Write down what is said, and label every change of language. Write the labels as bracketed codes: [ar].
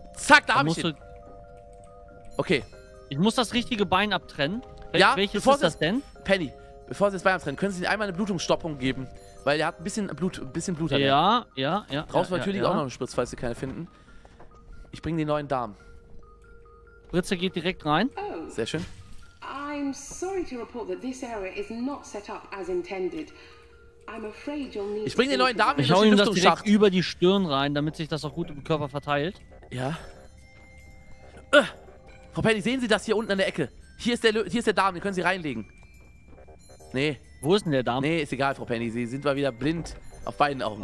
[de] Zack, da habe ich ihn. Okay. Ich muss das richtige Bein abtrennen. Ja, welches ist das denn? Penny, bevor Sie das Bein abtrennen, können Sie ihm einmal eine Blutungsstoppung geben? Weil er hat ein bisschen Blut. Ja. Brauchst du ja, natürlich auch noch einen Spritz, falls Sie keine finden. Ich bringe den neuen Darm. Spritze geht direkt rein. Oh. Sehr schön. [en] I'm sorry to report that this area is not set up as intended. I'm afraid you'll need. [de] Ich bringe den neuen Darm in den Lüftungsschacht über die Stirn rein, damit sich das auch gut im Körper verteilt. Ja. Frau Penny, sehen Sie das hier unten an der Ecke? Hier ist der Darm, den können Sie reinlegen. Nee. Wo ist denn der Darm? Nee, ist egal, Frau Penny. Sie sind mal wieder blind auf beiden Augen.